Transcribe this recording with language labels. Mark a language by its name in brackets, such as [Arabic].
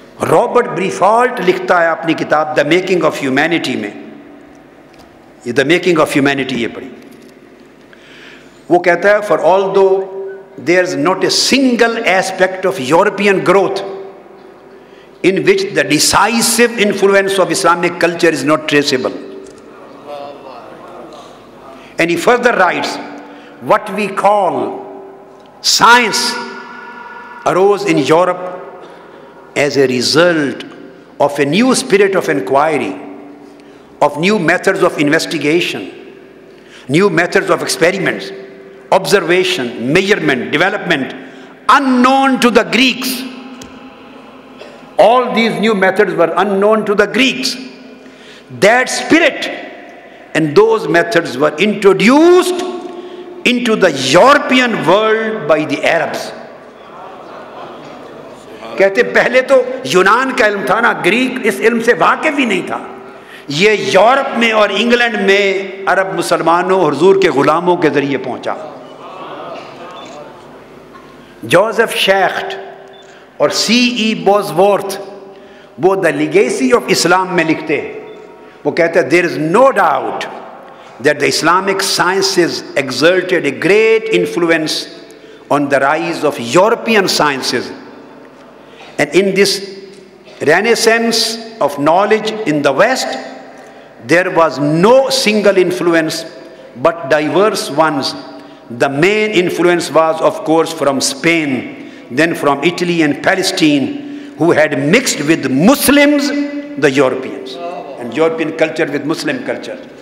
[Urdu] Robert بریفالٹ لکھتا ہے اپنی کتاب [English] the making of humanity میں, یہ the making of humanity [Urdu] یہ پڑھی, وہ کہتا ہے [English] For all though there is not a single aspect of European growth in which the decisive influence of Islamic culture is not traceable. And he further writes, what we call science arose in Europe as a result of a new spirit of inquiry, of new methods of investigation, new methods of experiments, observation, measurement, development, unknown to the Greeks. All these new methods were unknown to the Greeks. That spirit and those methods were introduced into the European world by the Arabs. [Urdu] کہتے پہلے تو یونان کا علم تھا نا, Greek اس علم سے واقف ہی نہیں تھا, یہ یورپ میں اور انگلینڈ میں عرب مسلمانوں حضور کے غلاموں کے ذریعے پہنچا. جوزف شیخٹ اور سی ای بوزورتھ وہ [English] the legacy of Islam [Urdu] میں لکھتے ہیں. وہ کہتے ہیں [English] There is no doubt that the Islamic sciences exerted a great influence on the rise of European sciences and in this renaissance of knowledge in the west there was no single influence but diverse ones. The main influence was of course from Spain, then from Italy and Palestine, who had mixed with Muslims, the Europeans, and European culture with Muslim culture.